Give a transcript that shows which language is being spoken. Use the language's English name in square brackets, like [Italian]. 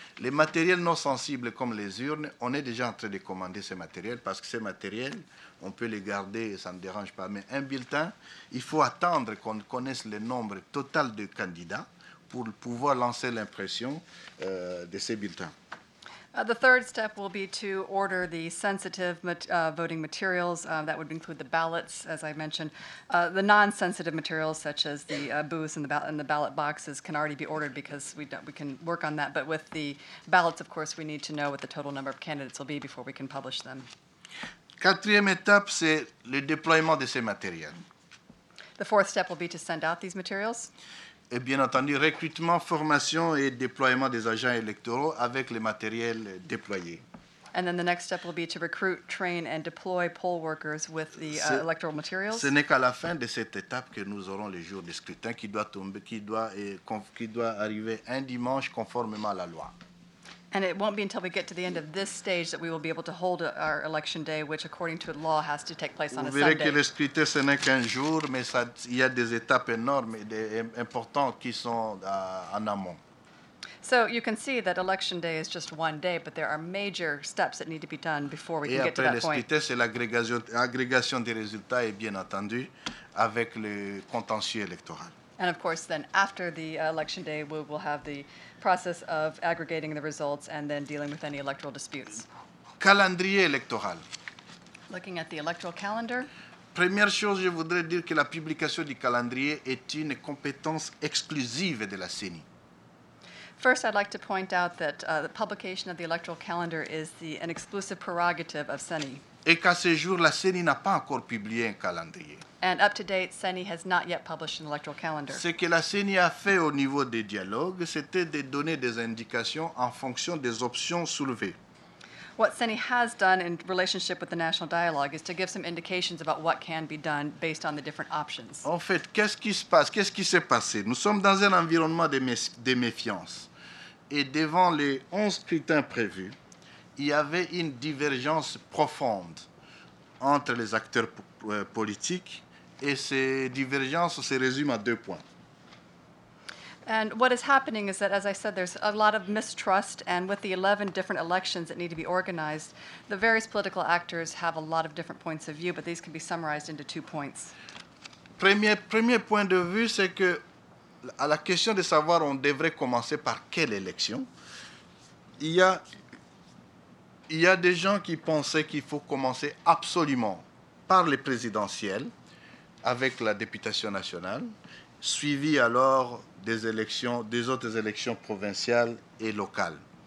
[French] Les matériels non sensibles, comme les urnes, on est déjà en train de commander ces matériels parce que ces matériels, on peut les garder, ça ne dérange pas. Mais un bulletin, il faut attendre qu'on connaisse le nombre total de candidats pour pouvoir lancer l'impression de ces bulletins. [English] The third step will be to order the sensitive voting materials. That would include the ballots, as I mentioned. The non-sensitive materials, such as the booths and the ballot boxes, can already be ordered because we can work on that. But with the ballots, of course, we need to know what the total number of candidates will be before we can publish them. [French] Quatrième étape, c'est le déploiement de ces matériels. [English] The fourth step will be to send out these materials. [French] Et bien entendu, recrutement, formation et déploiement des agents électoraux avec les matériels déployés. [English] And then the next step will be to recruit, train and deploy poll workers with the electoral materials. [French] Ce n'est qu'à la fin de cette étape que nous aurons les jours de scrutin qui doit tomber, qui doit arriver un dimanche conformément à la loi. [English] And it won't be until we get to the end of this stage that we will be able to hold our election day, which, according to law, has to take place on a Sunday. [French] Vous verrez que le scrutin, ce n'est qu'un jour, mais ça, il y a des étapes énormes et importantes qui sont en amont. [English] So you can see that election day is just one day, but there are major steps that need to be done before we can get to that point. [French] Et après le scrutin, c'est l'agrégation des résultats et, bien entendu, avec le contentieux électoral. [English] And, of course, then after the election day, we will have the process of aggregating the results and then dealing with any electoral disputes. [French] Calendrier électoral. [English] Looking at the electoral calendar. [French] Première chose, je voudrais dire que la publication du calendrier est une compétence exclusive de la CENI. [English] First, I'd like to point out that the publication of the electoral calendar is an exclusive prerogative of CENI. [French] Et qu'à ce jour, la CENI n'a pas encore publié un calendrier. [English] And up to date, CENI has not yet published an electoral calendar. [French] Ce que la CENI a fait au niveau des dialogues, c'était de donner des indications en fonction des options soulevées. [English] What CENI has done in relationship with the National Dialogue is to give some indications about what can be done based on the different options. [French] En fait, qu'est-ce qui se passe? Qu'est-ce qui s'est passé? Nous sommes dans un environnement de méfiance. Et devant les 11 scrutins prévus, il y avait une divergence profonde entre les acteurs politiques, et ces divergences se résument à deux points. [English] And what is happening is that, as I said, there's a lot of mistrust, and with the 11 different elections that need to be organized, the various political actors have a lot of different points of view, but these can be summarized into two points. [French] Premier point de vue, c'est que à la question de savoir on devrait commencer par quelle élection, il y a des gens qui pensaient qu'il faut commencer absolument par les présidentielles, avec la députation nationale, suivie alors des autres élections provinciales et locales.